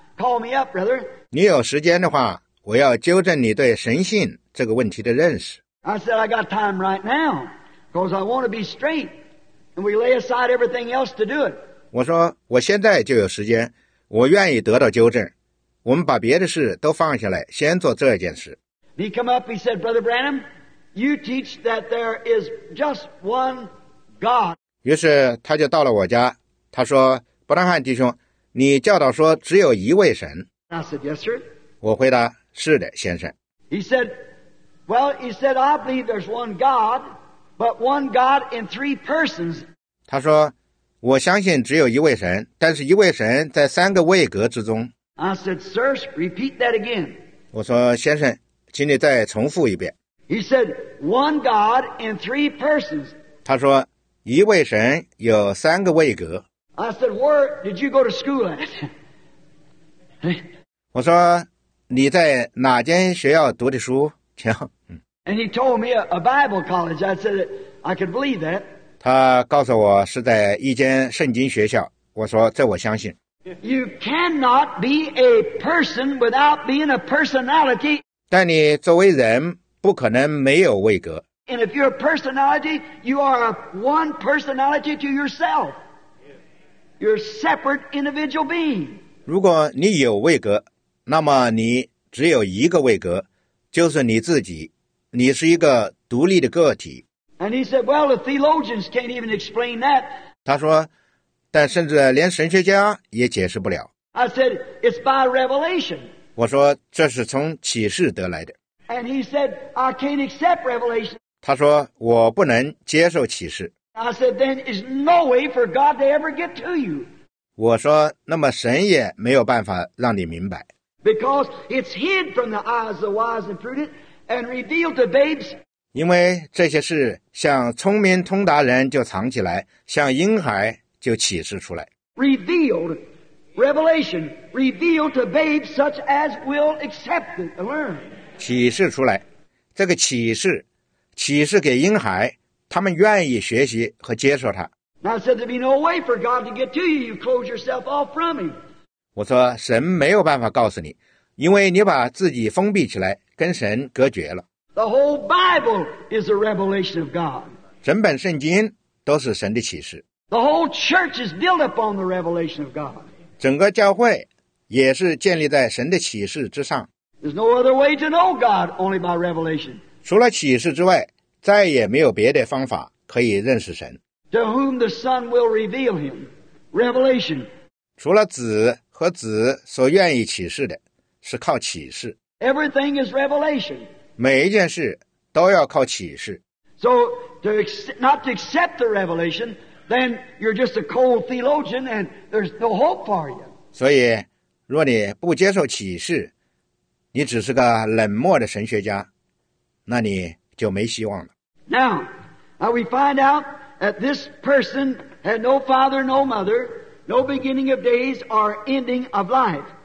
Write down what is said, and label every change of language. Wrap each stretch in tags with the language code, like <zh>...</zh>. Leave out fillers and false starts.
<en>Call me up, brother.</en> <zh>你有时间的话，我要纠正你对神性这个问题的认识。</zh> <en>I said I got time right now, because I want to be straight, and we lay aside everything else to do it.</en> <zh>我说我现在就有时间，我愿意得到纠正。我们把别的事都放下来，先做这件事。</zh> <en>He come up, he said, Brother Branham, you teach that there is just one God.</en> <zh>于是他就到了我家，他说：“伯南汉弟兄，你教导说只有一位神。”</zh> <en>I said, yes, sir.</en> <zh>我回答，是的，先生。</zh> <en>He said, well, he said, I believe there's one God, but one God in three persons.</en> <zh>他说，我相信只有一位神，但是一位神在三个位格之中。</zh> <en>I said, sir, repeat that again.</en> <zh>我说，先生，请你再重复一遍。</zh> <en>He said, one God in three persons.</en> <zh>他说，一位神有三个位格。</zh> <en>I said, where did you go to school at?</en> <zh>我说你在哪间学校读的书请、嗯、</zh> <en>And he told me a Bible college. I said I could believe that.</en> <zh>他告诉我是在一间圣经学校，我说这我相信。</zh> <en>You cannot be a person without being a personality.</en> <zh>但你作为人不可能没有位格。</zh> <en>And if you're a personality, you are one personality to yourself. You're a separate individual being.</en> <zh>如果你有位格，那么你只有一个位格，就是你自己，你是一个独立的个体。</zh> <en>And he said, well, the theologians can't even explain that.</en> <zh>他说，但甚至连神学家也解释不了。</zh> <en>I said, it's by revelation.</en> <zh>我说，这是从启示得来的。</zh> <en>And he said, I can't accept revelation.</en> <zh>他说，我不能接受启示。</zh> <en>I said, then there's no way for God to ever get to you.</en> <zh>我说，那么神也没有办法让你明白。</zh> <en>Because it's hid from the eyes of wise and prudent and revealed to babes.</en> <zh>因为这些事像聪明通达人就藏起来，像婴孩就启示出来。</zh> <en>Revealed, revelation, revealed to babes such as will accept it and learn.</en> <zh>启示出来，这个启示，启示给婴孩，他们愿意学习和接受它。</zh> <en>Now, said there be no way for God to get to you. You close yourself off from Him.</en> <zh>我说神没有办法告诉你，因为你把自己封闭起来，跟神隔绝了。</zh> <en>The whole Bible is a revelation of God.</en> <zh>整本圣经都是神的启示。</zh> <en>The whole church is built upon the revelation of God.</en> <zh>整个教会也是建立在神的启示之上。</zh> <en>There's no other way to know God only by revelation.</en> <zh>除了启示之外，再也没有别的方法可以认识神。</zh> <en>To whom the Son will reveal Him, revelation.</en> <zh>除了子和子所愿意启示的，是靠启示。</zh> <en>Everything is revelation.</en> <zh>每一件事都要靠启示。</zh> <en>So, to not to accept the revelation, then you're just a cold theologian and there's no hope for you.</en> <zh>所以，若你不接受启示，你只是个冷漠的神学家，那你就没希望了。</zh> <en>Now, we find out that this person had no father, no mother, no beginning of days or ending of life.</en>